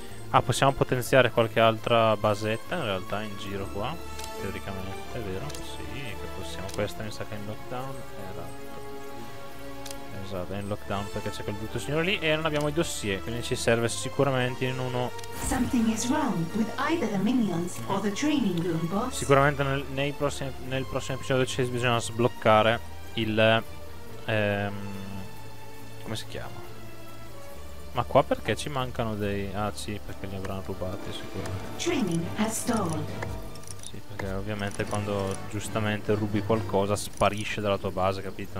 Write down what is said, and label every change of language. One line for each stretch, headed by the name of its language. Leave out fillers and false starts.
Italian: Ah, possiamo potenziare qualche altra basetta in realtà in giro qua. Teoricamente, è vero? Sì, che possiamo. Questa mi sa che è in lockdown. Esatto, è in lockdown perché c'è quel brutto signore lì. E non abbiamo i dossier, quindi ci serve sicuramente in uno.
English: Something is wrong with either the minions or the training room boss.
Italian: Sicuramente nel prossimo episodio ci bisogna sbloccare il come si chiama? Ma qua perché ci mancano dei... Ah sì, perché li avranno rubati sicuramente.
English: Training has stalled.
Italian: Che ovviamente quando giustamente rubi qualcosa sparisce dalla tua base, capito?